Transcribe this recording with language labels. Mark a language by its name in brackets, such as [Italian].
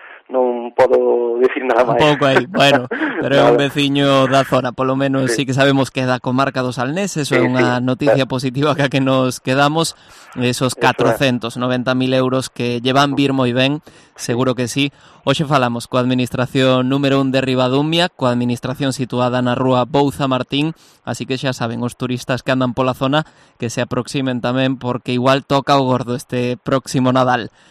[Galician] Non podo dicir nada máis. Pouco aí, bueno. [Spanish] Pero es un [Galician] veciño da zona, [Spanish] por lo menos sí que sabemos que [Galician] da comarca dos Salnés, [Spanish] eso sí, es una sí noticia sí positiva acá que nos quedamos, esos 490.000 euros que llevan Birmo y Ben, seguro que sí. [Galician] Hoxe falamos coa administración número 1 de Ribadumia, coa administración situada na rúa Bouza Martín, así que xa saben os turistas que andan pola zona que se aproximen tamén porque igual toca o gordo este próximo Nadal.